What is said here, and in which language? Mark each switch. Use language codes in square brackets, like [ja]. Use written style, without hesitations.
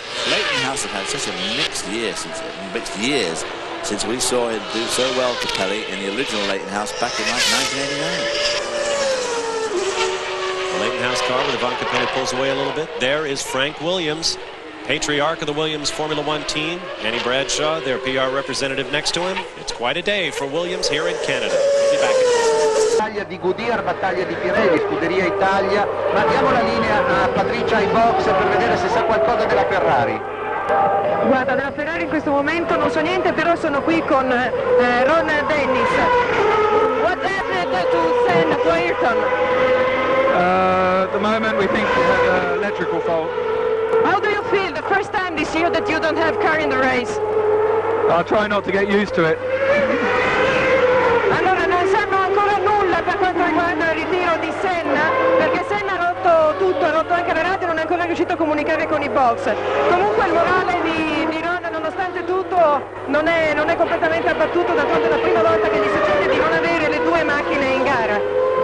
[en] Leighton House have had such a mixed years since we saw him do so well to Pelli in the original Leighton House back in 1989. The Leighton House car with Ivan Capelli pulls away a little bit. There is Frank Williams, patriarch of the Williams Formula One team. Danny Bradshaw, their PR representative, next to him. It's quite a day for Williams here in Canada. We'll be back in a moment. [it] Battaglia di Goodyear, battaglia di Pirelli, Scuderia Italia. Ma diamo la linea a Patricia ai box per vedere se sa qualcosa della Ferrari. Guarda, della Ferrari in questo momento non so niente, però sono qui con Ron Dennis. [en] What happened to Senna to Ayrton? The moment we think we had an electrical fault. How do you feel the first time this year that you don't have car in the race? I'll try not to get used to it. [it] Allora, non sanno ancora nulla per quanto riguarda il ritiro di Senna, perché Senna ha rotto tutto, ha rotto anche la radio, non è ancora riuscito a comunicare con i box. Comunque il morale di Ron, nonostante tutto, non è completamente abbattuto, da quanto è la prima volta che gli succede di non avere le due macchine in gara.